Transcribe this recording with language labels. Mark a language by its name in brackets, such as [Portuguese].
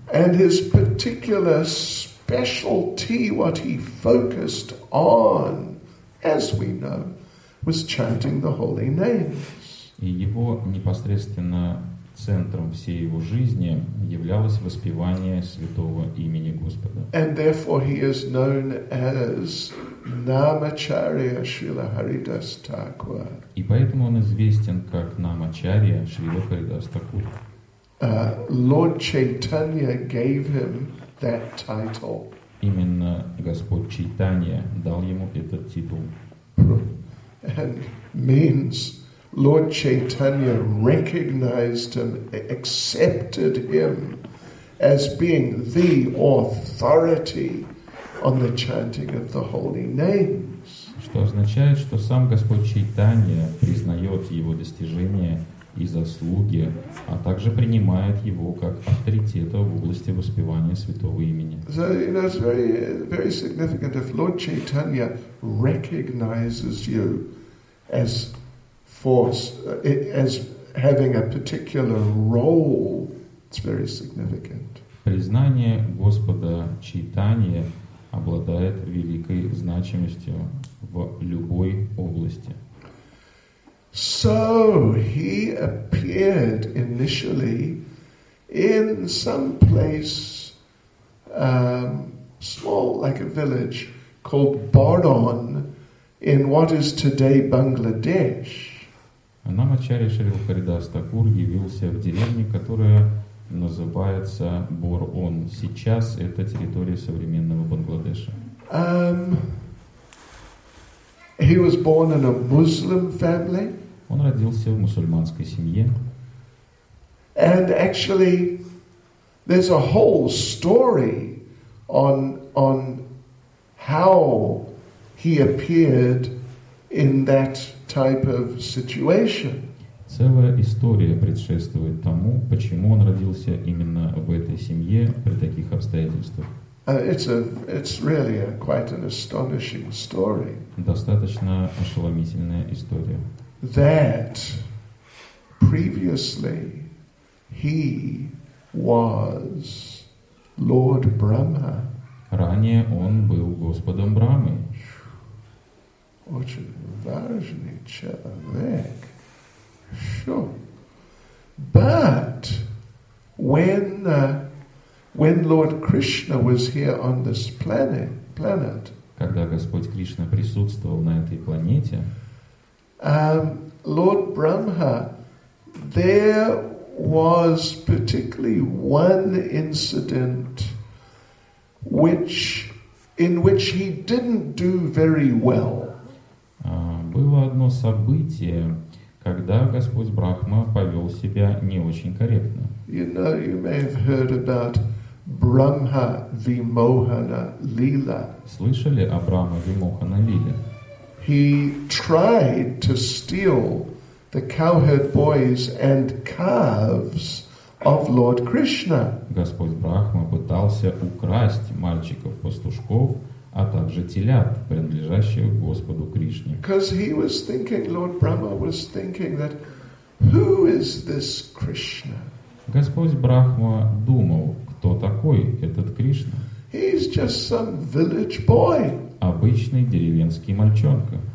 [English] And his particular specialty, what he focused on, as we know, was chanting the holy names. [Russian] И его непосредственно центром всей его жизни являлось воспевание святого имени Господа. [English] And therefore he is known as Namacharya Srila Haridas Thakura. [Russian] И поэтому он известен как Намачария Шрила Харидас Такур. [English] Lord Chaitanya gave him that title. [Russian] Именно Господь Чайтанья дал ему этот титул. [English] And means Lord Chaitanya recognized him, accepted him as being the authority on the chanting of the holy names. [Russian] Что означает, что сам Господь Чайтанья признает его достижения и заслуги, а также принимает его как авторитета в области воспевания святого имени. [English] So, you know, it's very, very significant if Lord Chaitanya recognizes you as as having a particular role, it's very significant. [Russian] Признание Господа Чайтанья обладает великой значимостью в любой области. [English] So he appeared initially in some place small, like a village called Bardhan in what is today Bangladesh. [Russian] Намачарья Шрила Харидас Такур явился в деревне, которая называется Бор-Он. Сейчас это территория современного Бангладеша. [English] He was born in a Muslim family. [Russian] Он родился в мусульманской семье. [English] And actually, there's a whole story on how he appeared in that type of situation. [Russian] Целая история предшествует тому, почему он родился именно в этой семье при таких обстоятельствах. [English] It's really quite an astonishing story. [Russian] Достаточно ошеломительная история. [English] That previously he was Lord Brahma. [Russian] Ранее он был Господом Брахмой. Очень важный человек. [English] Sure. But when When Lord Krishna was here on this planet, [Russian] когда Господь Кришна присутствовал на этой планете, [English] Lord Brahma, there was particularly one incident in which he didn't do very well. [Russian] Было одно событие, когда Господь Брахма повел себя не очень корректно. [English] You know, you may have heard about Brahma Vimohana Lila. [Russian] Слышали о Брахма Вимохана Лиле? [English] He tried to steal the cowherd boys and calves of Lord Krishna. [Russian] Господь Брахма пытался украсть мальчиков-пастушков, а также телят, принадлежащих Господу Кришне. [English] Because he was thinking, Lord Brahma was thinking that who is this Krishna? [Russian] Господь Брахма думал, кто такой этот Кришна? [English] He's just some village boy. [Russian] Обычный деревенский мальчонка.